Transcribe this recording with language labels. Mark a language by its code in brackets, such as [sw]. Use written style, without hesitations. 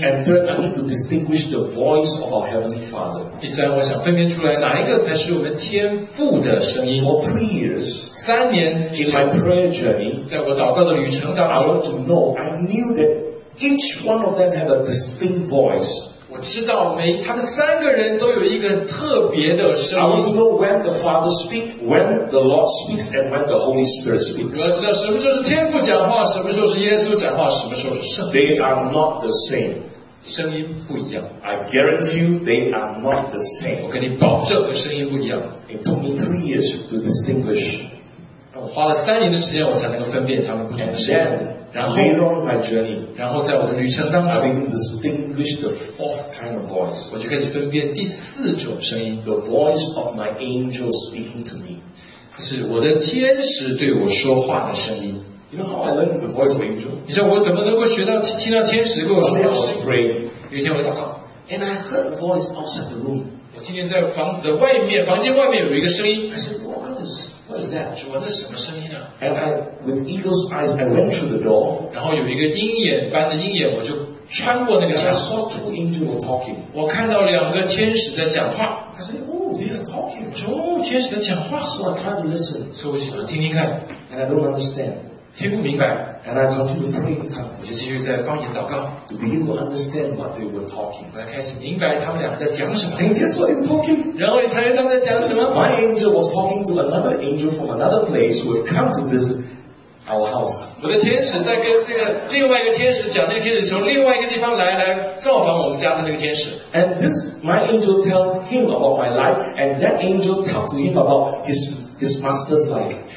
[en] And third, I need to distinguish the voice of our Heavenly Father. [zh] 第三，我想分辨出来哪一个才是我们天父的声音。 [en] For 3 years, [zh] 三年, [en] in my prayer journey, [zh] 在我祷告的旅程当中, [en] I want to know, I knew that each one of them had a distinct voice. [zh] 我知道他们三个人都有一个特别的声音。 [en] I want to know when the Father speaks, when the Lord speaks, and when the Holy Spirit speaks. [zh] 我要知道什么时候是天父讲话，什么时候是耶稣讲话，什么时候是圣灵。 [en] They are not the same. [zh] 声音不一样。 [en] I guarantee you, they are not the same. [zh] 我跟你保证，声音不一样。 [en] It took me 3 years to distinguish. [zh] 我花了3年的时间，我才能够分辨他们不同的声音。 [en] Later on my journey, [zh] 然后在我的旅程当中, [en] I begin to distinguish the fourth kind of voice. [zh] 我就开始分辨第四种声音, [en] the voice of my angel speaking to me. [zh] 是我的天使对我说话的声音。 [en] You know how I learned the voice of angel? [zh] 你知道我怎么能够学到听到天使跟我说话？有一天我祷告, [en] and I heard a voice outside the room. [zh] 我听见在房子的外面，房间外面有一个声音。 [en] I said, what is this? What is that? [zh] 主，我的什么声音呢？ [en] And I, with eagle's eyes, I went through the door. [zh] 然后有一个鹰眼般的鹰眼，我就穿过那个。 [en] I saw two angels talking. [zh] 我看到两个天使在讲话。 [en] I said, oh, they are talking. [zh] 我说，哦，天使在讲话。 [en] So I tried to listen. [zh] 所以我想听听看。 [en] And I don't understand. [zh] 听不明白。 [en] And I continue praying. [zh] 我就继续在方言祷告。 [en] To begin to understand what they were talking. [zh] 我要开始明白他们两个在讲什么。 [en] And guess what they were talking? [zh] 然后你猜他们在讲什么？ [en] My angel was talking to another angel from another place who had come to visit our house. [zh] 我的天使在跟另外一个天使讲，那个天使从另外一个地方来造访我们家的那个天使。 [en] And this, my angel tell him about my life, and that angel talked to him about his master's life.